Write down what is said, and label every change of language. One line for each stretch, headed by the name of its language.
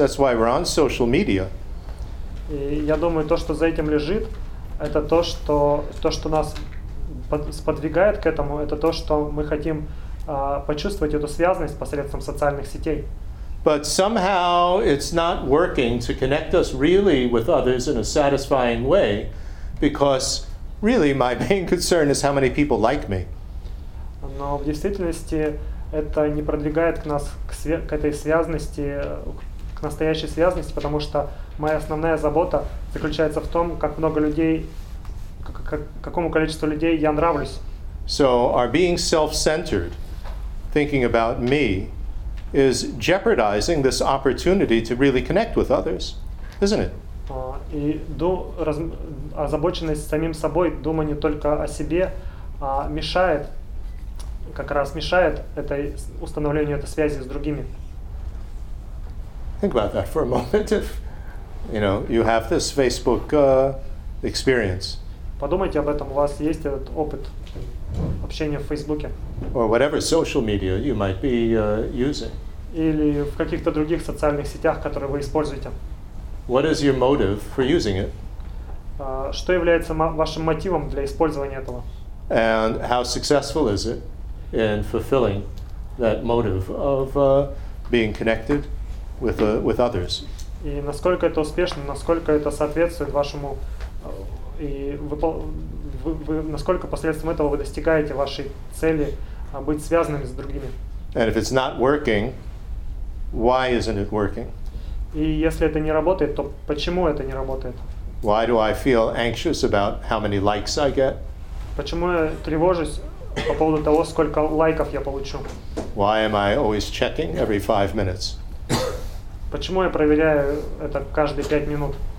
English: That's why we're on social media.
Russian: И я думаю, то, что за этим лежит, это то, что нас сподвигает к этому, это то, что мы хотим почувствовать эту связанность посредством социальных сетей.
English: But somehow it's not working to connect us really with others in a satisfying way, because really my main concern is how many people like me.
Russian: Но в действительности это не продвигает к этой связанности, к настоящей связанности, потому что моя основная забота заключается в том, как много людей, какому количеству людей я нравлюсь.
English: So our being self-centered, thinking about me, is jeopardizing this opportunity to really connect with others, isn't it?
Russian: Озабоченность самим собой, думание только о себе, мешает. Как раз мешает это установлению этой связи с другими.
English: Think about that for a moment. If you have this Facebook experience.
Russian: Подумайте об этом. У вас есть этот опыт общения в Фейсбуке.
English: Or whatever social media you might be using.
Russian: Или в каких-то других социальных сетях, которые вы используете.
English: What is your motive for using it?
Russian: Что является вашим мотивом для использования этого?
English: And how successful is it in fulfilling that motive of being connected with others?
Russian: И насколько это успешно, насколько это соответствует вашему, и вы насколько посредством этого вы достигаете вашей цели быть связанными с другими.
English: And if it's not working, why isn't it working?
Russian: И если это не работает, то почему это не работает?
English: Why do I feel anxious about how many likes I get?
Russian: Почему я тревожусь по поводу того, сколько лайков я получу?
English: Why am I always checking every 5 minutes?
Russian: Почему я проверяю это каждые 5 минут?